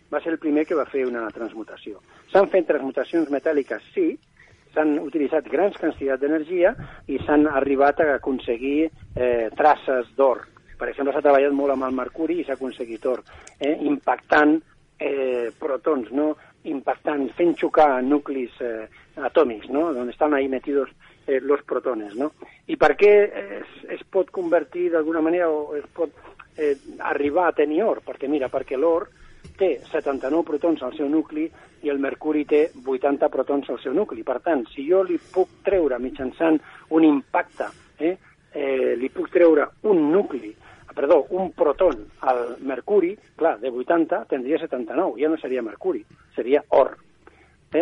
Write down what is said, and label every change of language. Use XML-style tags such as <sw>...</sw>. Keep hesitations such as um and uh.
<ca>Va ser el primer que va fer una transmutació. S'han fet transmutacions metàl·liques, sí, s'han utilitzat grans quantitats d'energia i s'han arribat a aconseguir eh, traces d'or. Per exemple, s'ha treballat molt amb el mercuri i s'ha aconseguit or, eh, impactant eh, protons, no? impactant, fent xocar nuclis eh, atòmics, no?</ca> <es>D on estan ahí metidos eh, los protones, no?</es> <ca>¿Y per què es, es pot convertir d'alguna manera o es pot eh, arribar a tenir or? Perquè mira, perquè l'or té 79 protons al seu nucli i el mercuri té 80 protons al seu nucli. Per tant, si jo li puc treure mitjançant un impacte, eh, eh, li puc treure un nucli, perdó, un proton al mercuri, clar, de 80 tindria 79, ja no seria mercuri, seria or. Eh?</ca>